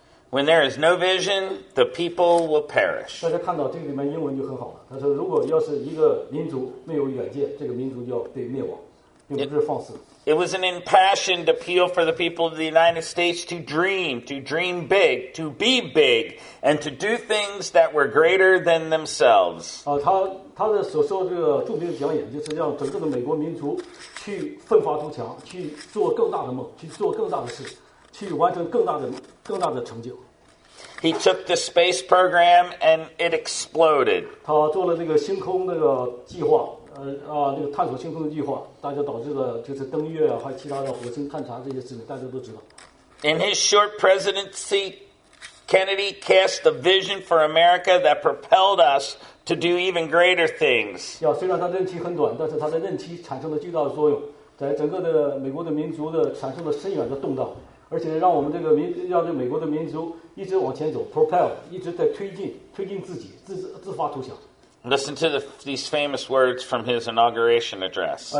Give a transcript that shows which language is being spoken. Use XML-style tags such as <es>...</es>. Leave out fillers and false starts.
<en>When there is no vision, the people will perish.</en> <zh>大家看到这里面英文就很好了。他说，如果要是一个民族没有远见，这个民族就要被灭亡，并不是放肆。</zh> <en>It was an impassioned appeal for the people of the United States to dream big, to be big, and to do things that were greater than themselves.</en> <zh>他的所说这个著名的讲演，就是让整个的美国民族去奋发图强，去做更大的梦，去做更大的事。去完成更大的成就。</zh> <en>He took the space program and it exploded.</en> <zh>他做了那个星空那个计划，那个探索星空的计划，大家导致了就是登月啊，还有其他的火星探查这些事情，大家都知道。</zh> <en>In his short presidency, Kennedy cast a vision for America that propelled us to do even greater things.</en> <zh>虽然他任期很短，但是他的任期产生了巨大的作用，在整个的美国的民族的产生了深远的动荡。而且让我们这个民，让这美国的民族一直往前走 ，propel， 一直在推进自己，自发投降。</zh> <en>Listen to these famous words from his inauguration address.</en>